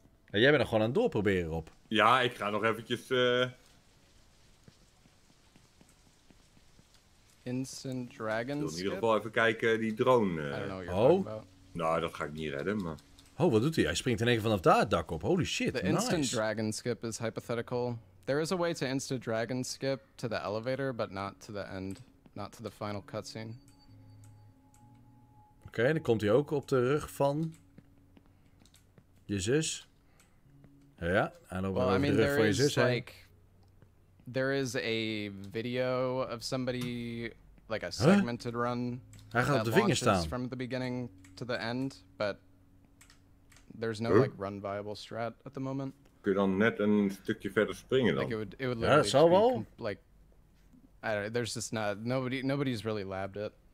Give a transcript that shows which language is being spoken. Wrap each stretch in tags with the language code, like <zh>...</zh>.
<nl>En jij bent er gewoon aan het doorproberen, Rob. Ja, ik ga nog eventjes...</nl> <en>Instant Dragon Skip?</en> <nl>Ik wil in ieder geval even kijken, die drone. Nou, dat ga ik niet redden, maar... Oh, wat doet hij? Hij springt in één keer vanaf daar het dak op.</nl> <en>Holy shit, the nice. Instant Dragon Skip is hypothetical. There is a way to Instant Dragon Skip to the elevator, but not to the end. Not to the final cutscene.</en> <nl>Oké, dan komt hij ook op de rug van... je zus. Ja, hij loopt wel over de rug van je zus heen.</nl> <en>Like... There is a video of somebody, like a segmented run.</en> <nl>Hij gaat op de vinger staan.</nl> <en>From the beginning to the end, but there's no like run viable strat at the moment.</en> <nl>Kun je dan net een stukje verder springen dan?</nl> <en>Like it would literally</en> <nl>ja, dat zou wel.</nl> <en>Like, I don't know, there's just not, nobody's really labbed it.</en>